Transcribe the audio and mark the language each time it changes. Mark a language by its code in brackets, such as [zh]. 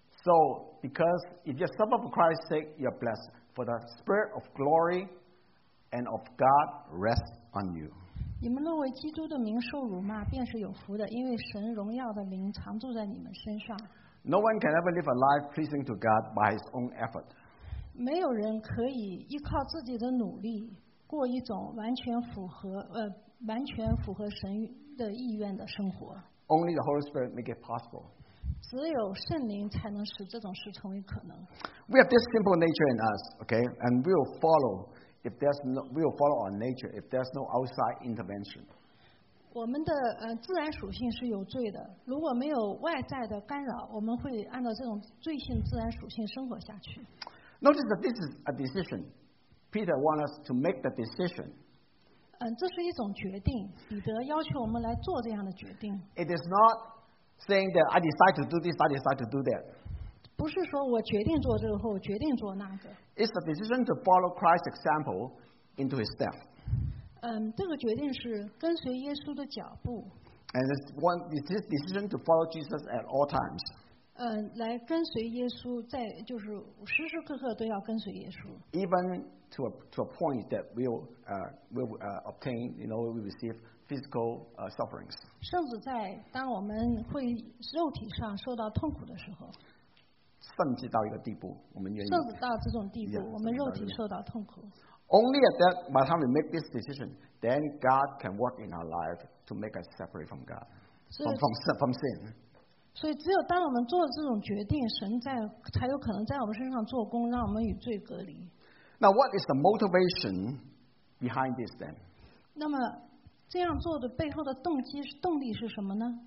[en] So, because if you suffer for Christ's sake, you are blessed. For the Spirit of glory and of God rests on you. [zh] 你们认为基督的名受辱骂便是有福的，因为神荣耀的灵常住在你们身上。 [en] No one can ever live a life pleasing to God by his own effort. [zh] 没有人可以依靠自己的努力过一种完全符合神的意愿的生活。 [en] Only the Holy Spirit make it possible. [zh] 只有圣灵才能使这种事成为可能。 [en] We have this simple nature in us, okay, and we will follow our nature if there's no outside intervention. [zh] 我们的自然属性是有罪的，如果没有外在的干扰，我们会按照这种罪性自然属性生活下去。 [en] Notice that this is a decision. Peter wants us to make the decision. [zh] 这是一种决定，彼得要求我们来做这样的决定。 [en] It is not. Saying that I decide to do this, I decide to do that. [zh] 不是说我决定做这个或决定做那个。 [en] It's the decision to follow Christ's example into His step. [zh] 这个决定是跟随耶稣的脚步。 [en] And it's this decision to follow Jesus at all times. [zh] 来跟随耶稣，在就是时时刻刻都要跟随耶稣。 [en] Even to a point that we'll obtain, you know, we receive. Physical sufferings. [zh] 甚至在当我们会肉体上受到痛苦的时候，甚至到一个地步，我们愿意。甚至到这种地步，我们肉体受到痛苦。 [en] Only at that by the time we make this decision, then God can work in our life to make us separate from God, from sin. [zh] 所以，只有当我们做了这种决定，神才有可能在我们身上做工，让我们与罪隔离。 [en] Now, what is the motivation behind this then? [zh] 那么。这样做的背后的动机是动力是什么呢？